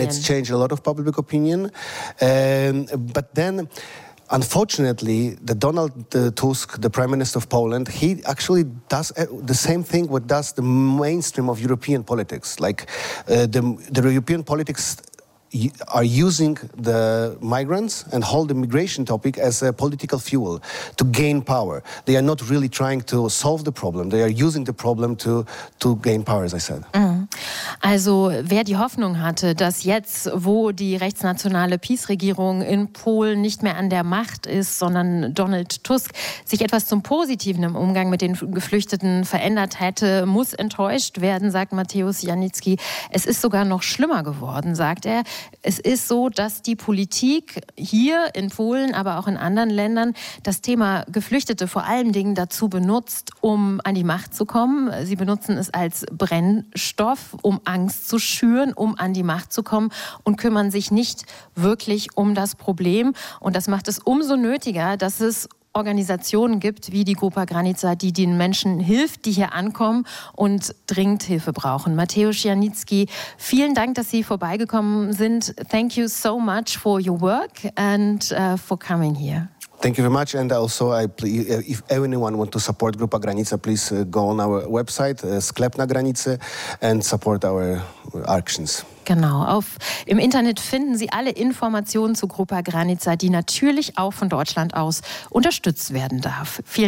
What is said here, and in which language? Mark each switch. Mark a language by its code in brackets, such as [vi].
[en] And it's changed a lot of public opinion. But then, unfortunately, the Donald Tusk, the Prime Minister of Poland, he actually does the same thing what does the mainstream of European politics. Like the European politics are using the migrants and hold the migration topic as a political fuel to gain power. They are not really trying to solve the problem. They are using the problem to gain power, as I said. Mm. [de] Also, wer die Hoffnung hatte, dass jetzt, wo die rechtsnationale Peace-Regierung in Polen nicht mehr an der Macht ist, sondern Donald Tusk, sich etwas zum Positiven im Umgang mit den Geflüchteten verändert hätte, muss enttäuscht werden, sagt Mateusz Janicki. Es ist sogar noch schlimmer geworden, sagt er. Es ist so, dass die Politik hier in Polen, aber auch in anderen Ländern, das Thema Geflüchtete vor allen Dingen dazu benutzt, um an die Macht zu kommen. Sie benutzen es als Brennstoff, um Angst zu schüren, um an die Macht zu kommen und kümmern sich nicht wirklich um das Problem. Und das macht es umso nötiger, dass es Organisationen gibt, wie die Grupa Granica, die den Menschen hilft, die hier ankommen und dringend Hilfe brauchen. Mateusz Janicki, vielen Dank, dass Sie vorbeigekommen sind. [en] Thank you so much for your work and for coming here. Thank you very much. And also, if anyone wants to support Grupa Granica, please go on our website, Sklep na Granicy, and support our actions. [de] Genau. Im Internet finden Sie alle Informationen zu Grupa Granica, die natürlich auch von Deutschland aus unterstützt werden darf. Vielen